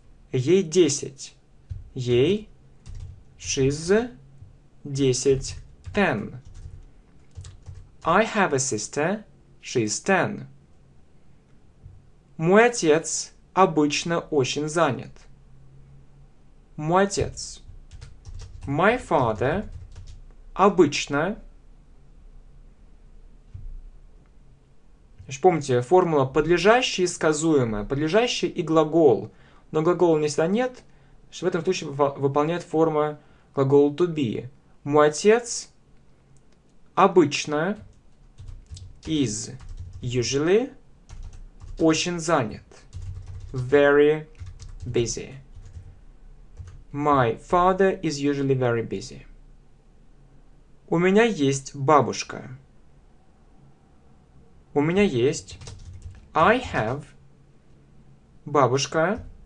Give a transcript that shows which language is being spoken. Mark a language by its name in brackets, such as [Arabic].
[Russian] Ей 10. Ей. [English] She's 10. [Russian] 10. [English] I have a sister. She's 10. [Russian] Мой отец обычно очень занят. Мой отец. [English] My father [Russian] обычно. Помните, формула подлежащее и сказуемое. Подлежащее и глагол. Но глагола не всегда нет. В этом случае выполняет форма глагола to be. Мой отец обычно [English] is usually [Russian] очень занят. [English] Very busy. My father is usually very busy. [Russian] У меня есть бабушка. У меня есть. [English] I have [Russian] бабушка.